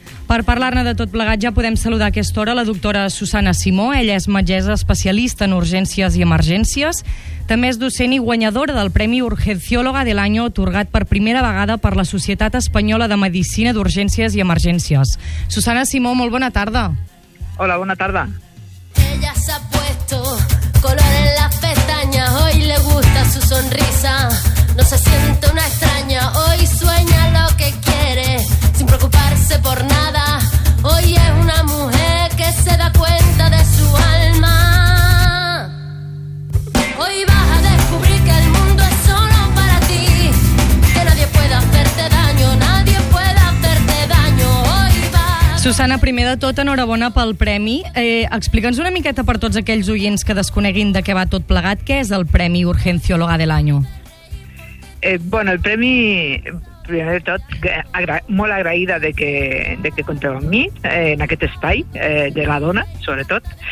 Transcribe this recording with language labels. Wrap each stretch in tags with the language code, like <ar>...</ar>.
<ca>Per parlar-ne de tot plegat ja podem saludar a aquesta hora la doctora Susana Simó. Ella és metgessa especialista en urgències i emergències. També és docent i guanyadora del Premi Urgencióloga de l'Any otorgat per primera vegada per la Societat Espanyola de Medicina d'Urgències i Emergències. Susana Simó, molt bona tarda. Hola, bona tarda.</ca> <es>Ella s'ha puesto color en las pestañas, hoy le gusta su sonrisa, no se siente una extraña, hoy sueña lo que quiere, sin preocuparse por nada, hoy es una mujer que se da cuenta de su alma. Hoy vas a descubrir que el mundo es solo para ti, que nadie puede hacerte daño, nadie puede hacerte daño. Hoy vas...</es> <ca>Susana, primer de tot, enhorabona pel premi. Explica'ns una miqueta per tots aquells oients que desconeguin de què va tot plegat, què és el Premi Urgencióloga de l'Any? Bueno, el premi, primer de tot, molt agraïda de que compteu amb mi en aquest espai de la dona, sobretot.</ca>